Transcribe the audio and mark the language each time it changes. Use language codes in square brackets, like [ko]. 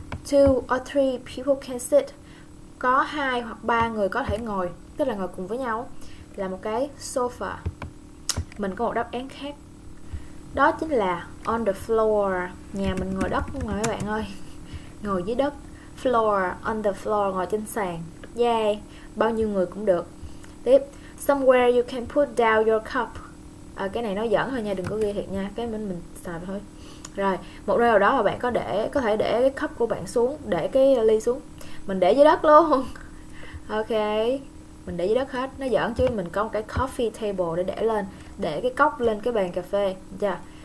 [en] Two or three people can sit, [vi] có hai hoặc ba người có thể ngồi, tức là ngồi cùng với nhau, là một cái sofa. Mình có một đáp án khác, đó chính là [en] on the floor. [vi] Nhà mình ngồi đất mà các bạn ơi, ngồi dưới đất. [en] Floor, on the floor, [vi] ngồi trên sàn. Yay, bao nhiêu người cũng được. Tiếp, [en] somewhere you can put down your cup. [vi] À, cái này nó giỡn thôi nha, đừng có ghi thiệt nha, cái mình xài thôi. Rồi, một nơi nào đó mà bạn có thể để cái cup của bạn xuống, để cái ly xuống. Mình để dưới đất luôn. Ok, mình để dưới đất hết, nó giỡn chứ mình có một cái coffee table để lên, để cái cốc lên cái bàn cà phê chưa.